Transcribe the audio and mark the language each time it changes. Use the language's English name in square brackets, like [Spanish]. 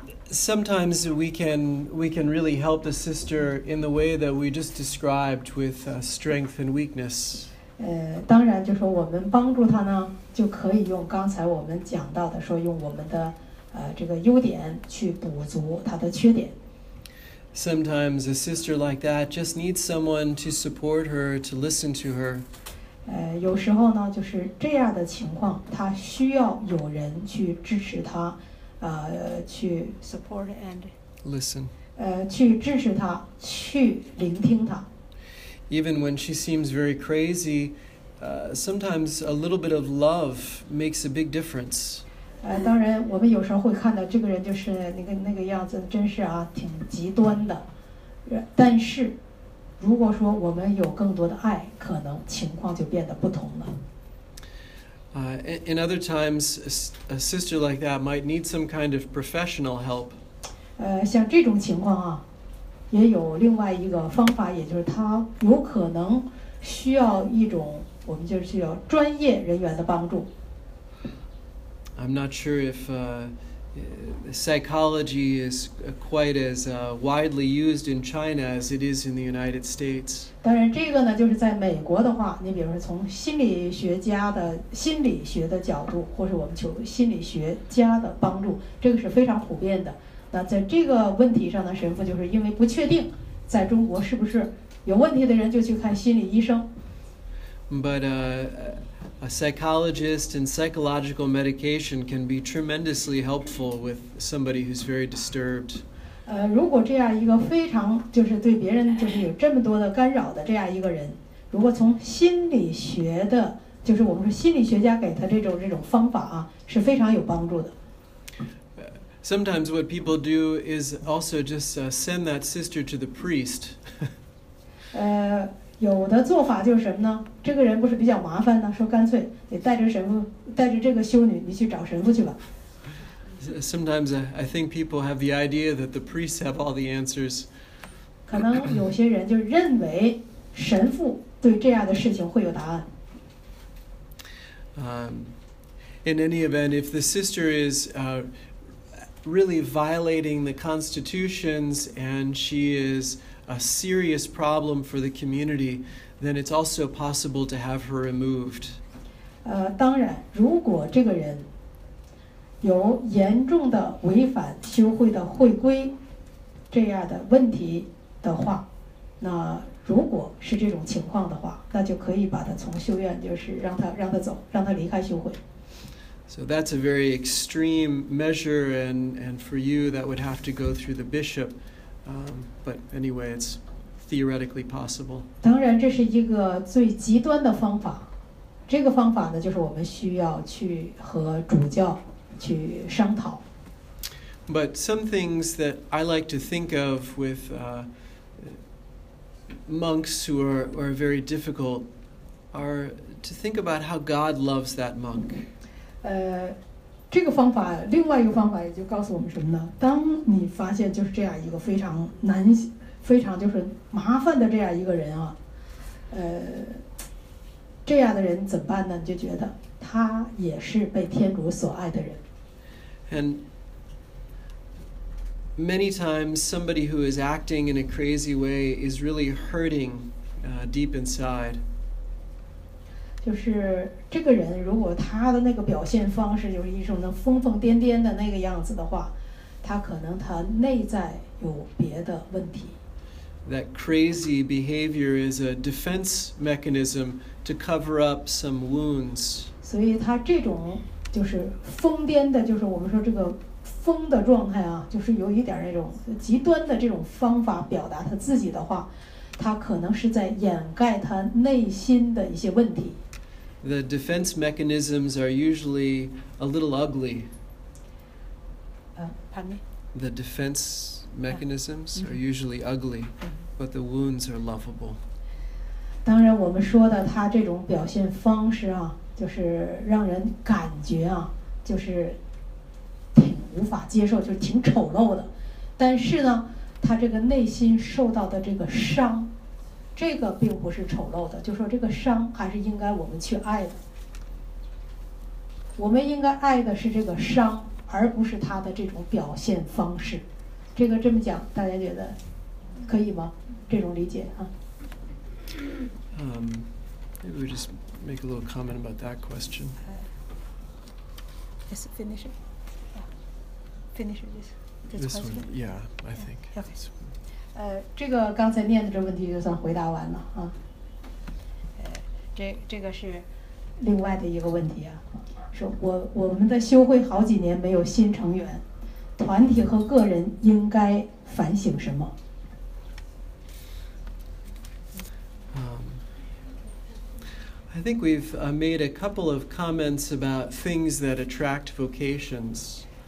[English] Sometimes we can really help the sister in the way that we just described with strength and weakness. [Chinese] 当然就是说我们帮助她呢，就可以用刚才我们讲到的，说用我们的这个优点去补足她的缺点。 [English] Sometimes a sister like that just needs someone to support her, to listen to her. [Chinese] 有时候呢，就是这样的情况，她需要有人去支持她。去 [English] support and listen. [Chinese] 去支持他，去聆听他。 [English] Even when she seems very crazy, sometimes a little bit of love makes a big difference. [Chinese] 当然，我们有时候会看到这个人就是那个样子，真是啊，挺极端的。但是，如果说我们有更多的爱，可能情况就变得不同了。 [English] In other times, a sister like that might need some kind of professional help. [Chinese] 像这种情况啊，也有另外一个方法，也就是她有可能需要一种，我们就是需要专业人员的帮助。 [English] I'm not sure if psychology is quite as widely used in China as it is in the United States. [Chinese] 当然这个呢就是在美国的话你比如说从心理学家的心理学的角度或是我们求心理学家的帮助这个是非常普遍的那在这个问题上呢神父就是因为不确定在中国是不是有问题的人就去看心理医生 [English] But a psychologist and psychological medication can be tremendously helpful with somebody who's very disturbed. [Chinese] 如果这样一个非常就是对别人就是有这么多的干扰的这样一个人，如果从心理学的，就是我们说心理学家给他这种方法啊，是非常有帮助的。 [English] Sometimes what people do is also just send that sister to the priest. [Chinese] 有的做法就是什么呢？这个人不是比较麻烦呢？说干脆得带着神父，带着这个修女，你去找神父去吧。 [English] Sometimes I think people have the idea that the priests have all the answers. [Chinese] 可能有些人就认为神父对这样的事情会有答案。 [English] In any event, if the sister is really violating the constitutions and she is a serious problem for the community, then it's also possible to have her removed. [Chinese] 当然，如果这个人有严重的违反修会的会规这样的问题的话，那如果是这种情况的话，那就可以把他从修院，就是让他走，让他离开修会。 [English] So that's a very extreme measure, and for you, that would have to go through the bishop. But anyway, it's theoretically possible. [Chinese] 当然，这是一个最极端的方法。这个方法呢，就是我们需要去和主教去商讨。 [English] But some things that I like to think of with monks who are very difficult are to think about how God loves that monk. [Chinese] 这个方法另外一个方法也就告诉我们什么呢当你发现就是这样一个非常难非常就是麻烦的这样一个人啊这样的人怎么办呢你就觉得他也是被天主所爱的人 [English] And many times somebody who is acting in a crazy way is really hurting deep inside [Chinese] 就是这个人如果他的那个表现方式就是一种能疯疯癫癫的那个样子的话他可能他内在有别的问题 [English] That crazy behavior is a defense mechanism to cover up some wounds [Chinese] 所以他这种就是疯癫的就是我们说这个疯的状态啊就是有一点那种极端的这种方法表达他自己的话他可能是在掩盖他内心的一些问题 [English] The defense mechanisms are usually a little ugly. Pardon me? The defense mechanisms are usually ugly, but the wounds are lovable. [Chinese] 当然我们说的他这种表现方式啊就是让人感觉啊就是挺无法接受就是挺丑陋的但是呢他这个内心受到的这个伤这个并不是丑陋的就说这个伤还是应该我们去爱的我们应该爱的是这个伤而不是他的这种表现方式这个这么讲大家觉得可以吗这种理解啊 [English] maybe we just make a little comment about that question just finish it finish this This one, yeah, I think. Okay. [Chinese] 这个刚才念的这问题就算回答完了啊。这个是另外的一个问题啊。说我们的修会好几年没有新成员，团体和个人应该反省什么？ [English] I think we've made a couple of comments about things that attract vocations.